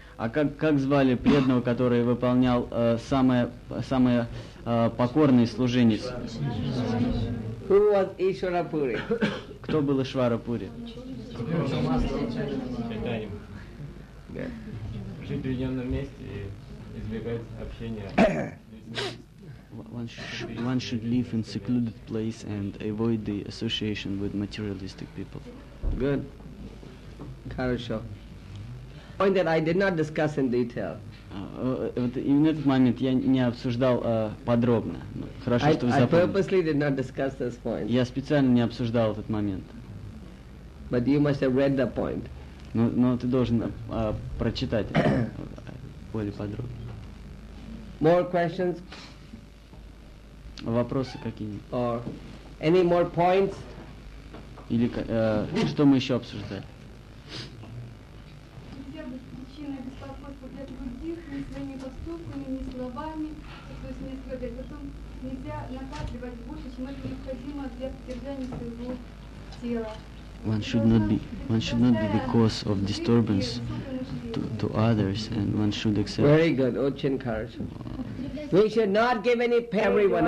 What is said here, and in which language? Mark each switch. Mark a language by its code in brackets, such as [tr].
[ru] А как звали преданного, который выполнял самое покорное служение? [en] Who was Ishvara Puri? [ru] Кто был Ишвара Пури? Жить в уединенном месте и избегать общения. [en] One should live in secluded place and avoid the association with materialistic people. Good. [ru] Хорошо. [en] Point that I did not discuss in detail. [ru] Вот именно этот момент я не обсуждал подробно. Хорошо, что вы запомнили. [en] I purposely did not discuss this point. [ru] Я специально не обсуждал этот момент. [en] But you must have read the point. [ru] Но ты должен прочитать более подробно. [en] More questions? [ru] Вопросы какие? [en] Or any more points? [ru] Или что мы еще обсуждали? Нельзя быть причиной беспокойства для других ни своими поступками, ни словами, то есть не следовать. Потом нельзя накапливать больше, чем это необходимо для поддержания своего тела. [en] One should not be the cause of disturbance to others, and one should accept. Very good, [ru] Ochin Karsh. [en] We should not give any pain to everyone.